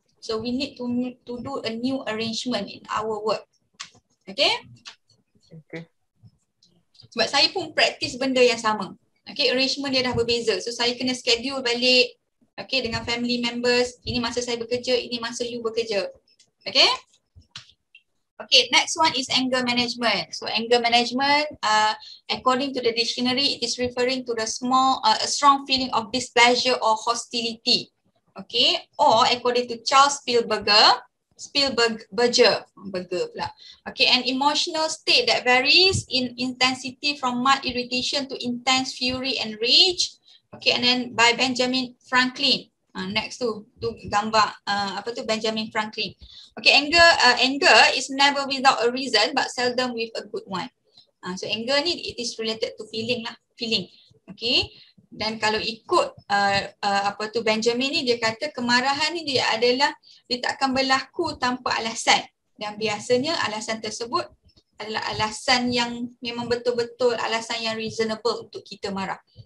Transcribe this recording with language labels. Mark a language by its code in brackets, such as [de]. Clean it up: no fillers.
[en] So we need to do a new arrangement in our work. Okay? Okay. [ms] Sebab saya pun practice benda yang sama. Okay, arrangement dia dah berbeza. So saya kena schedule balik, okay, dengan family members. Ini masa saya bekerja, ini masa you bekerja. [en] Okay? Okay, next one is anger management. So anger management, according to the dictionary, it is referring to the strong feeling of displeasure or hostility. Okay, or according to Charles Spielberger. Okay, an emotional state that varies in intensity from mild irritation to intense fury and rage. Okay, and then by Benjamin Franklin. [ms] Next tu, tu gambar apa tu Benjamin Franklin. [en] Okay, anger is never without a reason but seldom with a good one. So anger ni it is related to feeling lah, feeling. [ms] Okay, dan kalau ikut apa tu Benjamin ni, dia kata kemarahan ni dia adalah dia takkan berlaku tanpa alasan, dan biasanya alasan tersebut adalah alasan yang memang betul-betul alasan yang reasonable untuk kita marah.